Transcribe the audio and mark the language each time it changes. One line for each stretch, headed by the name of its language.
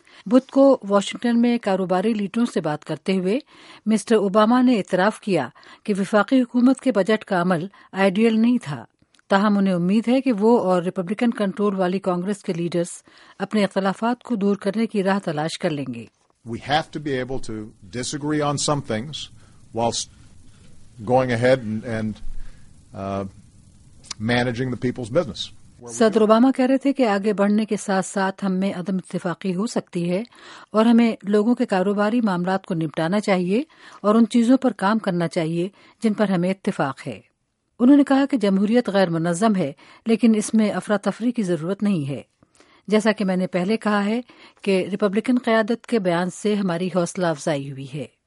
Urdu: بدھ کو واشنگٹن میں کاروباری لیڈروں سے بات کرتے ہوئے مسٹر اوباما نے اعتراف کیا کہ وفاقی حکومت کے بجٹ کا عمل آئیڈیل نہیں تھا، تاہم انہیں امید ہے کہ وہ اور ریپبلکن کنٹرول والی کانگریس کے لیڈرز اپنے اختلافات کو دور کرنے کی راہ تلاش کر لیں گے۔
English: We have to be able to disagree on some things whilst going ahead and managing the people's business.
Urdu: صدر اوباما کہہ رہے تھے کہ آگے بڑھنے کے ساتھ ساتھ ہم میں عدم اتفاقی ہو سکتی ہے اور ہمیں لوگوں کے کاروباری معاملات کو نمٹانا چاہیے اور ان چیزوں پر کام کرنا چاہیے جن پر ہمیں اتفاق ہے۔ انہوں نے کہا کہ جمہوریت غیر منظم ہے لیکن اس میں افراتفری کی ضرورت نہیں ہے۔ جیسا کہ میں نے پہلے کہا ہے کہ ریپبلکن قیادت کے بیان سے ہماری حوصلہ افزائی ہوئی ہے۔